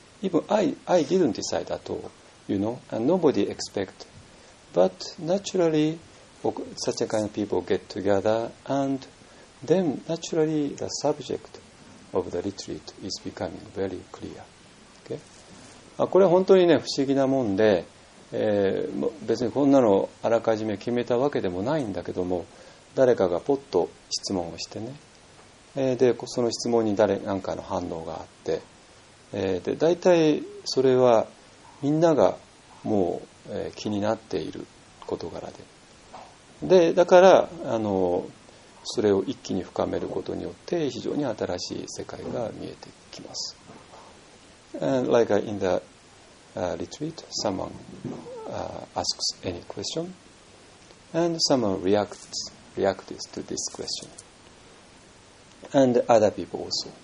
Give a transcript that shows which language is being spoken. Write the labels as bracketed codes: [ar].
[en] even I didn't decide at all, you know, and nobody expect. But naturally, such a kind of people get together, and then naturally the subject of the retreat is becoming very clear. Okay? [ja] これは本当にね、不思議なもんで、別にこんなのあらかじめ決めたわけでもないんだけども、誰かがポッと質問をしてね、でその質問に誰なんかの反応があって、で大体それはみんながもう、気になっている事柄で、でだからそれを一気に深めることによって非常に新しい世界が見えてきます。 [en] And like in the retreat, someone asks any question, and someone reacts to this question, and other people also.